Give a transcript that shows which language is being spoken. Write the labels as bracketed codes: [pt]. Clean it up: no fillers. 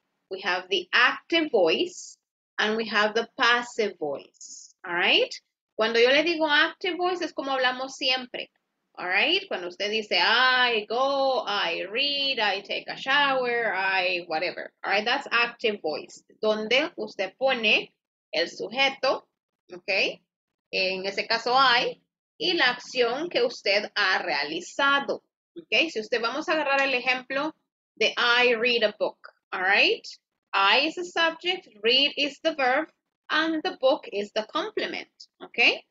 [en] We have the active voice and we have the passive voice. All right. [es] Cuando yo le digo active voice, es como hablamos siempre. [en] All right. [es] Cuando usted dice, [en] I go, I read, I take a shower, I whatever. All right. That's active voice. [es] Donde usted pone el sujeto, ¿ok? En ese caso, I, y la acción que usted ha realizado, ¿ok? Si usted, vamos a agarrar el ejemplo de [en] I read a book, [es] ¿all right? [en] I is the subject, read is the verb, and the book is the complement, ¿ok?